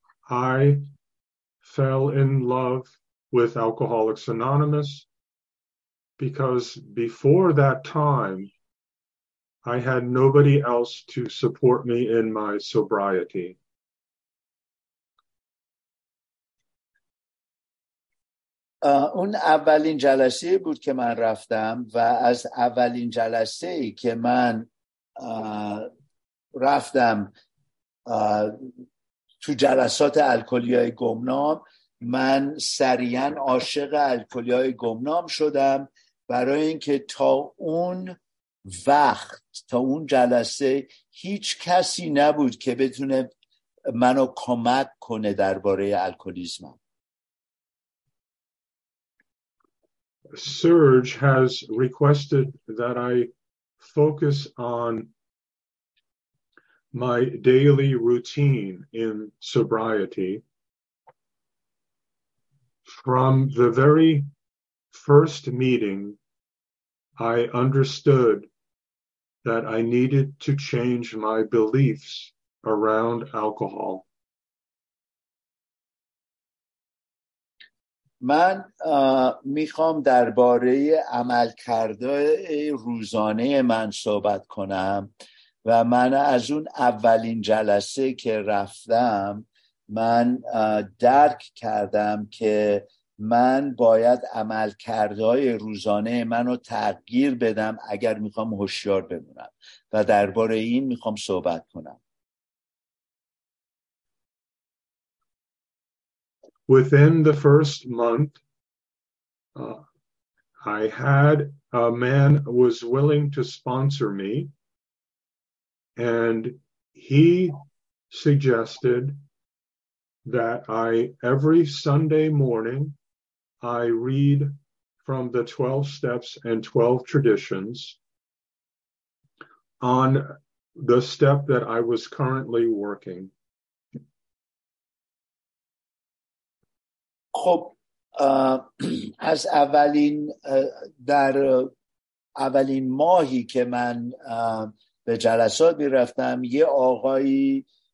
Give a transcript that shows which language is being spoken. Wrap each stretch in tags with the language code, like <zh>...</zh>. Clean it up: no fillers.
<en>I fell in love with Alcoholics Anonymous because before that time, I had nobody else to support me in my sobriety.</en> <fa>اون اولین جلسه بود که من رفتم، و از اولین جلسه که من رفتم تو جلسات الکلی‌های گمنام، من سریعا عاشق الکلی‌های گمنام شدم برای اینکه تا اون وقت، تا اون جلسه هیچ کسی نبود که بتونه منو کمک کنه درباره الکلیزمم.</fa> <en>Serge has requested that I focus on my daily routine in sobriety from the very first meeting. I understood that I needed to change my beliefs around alcohol.</en> <fa>من میخوام درباره عملکرده روزانه من صحبت کنم و من از اون اولین جلسه که رفتم من درک کردم که من باید عملکردهای روزانه منو تغییر بدم اگر میخوام هوشیار بمونم و درباره این میخوام صحبت کنم.</fa> <en>Within the first month, I had a man was willing to sponsor me, and he suggested that I every Sunday morning I read from the 12 steps and 12 traditions on the step that I was currently working.</en> <fa>خب از اولین در اولین ماهی که من به جلسات می‌رفتم یه آقایی</fa>